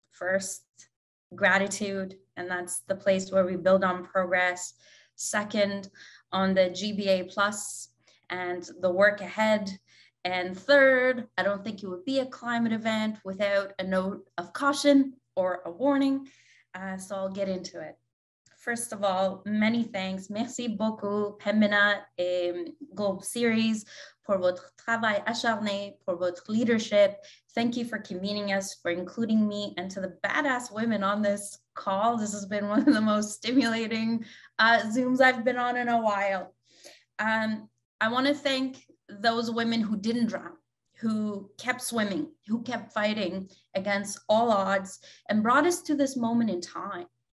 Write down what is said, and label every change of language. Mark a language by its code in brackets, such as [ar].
[en] First, gratitude, and that's the place where we build on progress. Second, on the GBA plus and the work ahead. And third, I don't think it would be a climate event without a note of caution or a warning. So I'll get into it. First of all, many thanks. [fr] Merci beaucoup, Pembina et Globe Series, pour votre travail acharné, pour votre leadership. [en] Thank you for convening us, for including me, and to the badass women on this call. This has been one of the most stimulating Zooms I've been on in a while. I want to thank those women who didn't drown, who kept swimming, who kept fighting against all odds and brought us to this moment in time.